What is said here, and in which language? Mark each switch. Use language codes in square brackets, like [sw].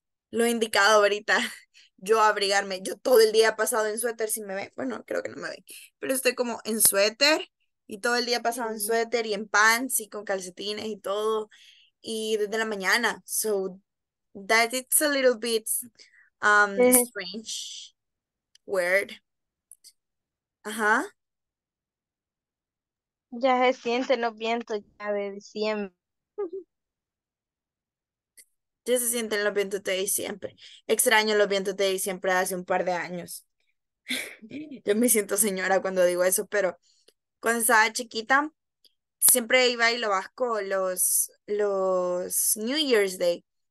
[es] Lo indicado ahorita, yo abrigarme. Yo todo el día he pasado en suéter, si me ven. Bueno, creo que no me ven, pero estoy como en suéter y todo el día he pasado en suéter y en pants y con calcetines y todo. Y desde la mañana. [en] So that it's a little bit strange, weird. Ajá. [es] Ya se sienten los vientos ya de diciembre. Ya se sienten los vientos de diciembre. Extraño los vientos de diciembre hace un par de años. Yo me siento señora cuando digo eso, pero cuando estaba chiquita, siempre iba a Hilo Vasco los New Year's Day.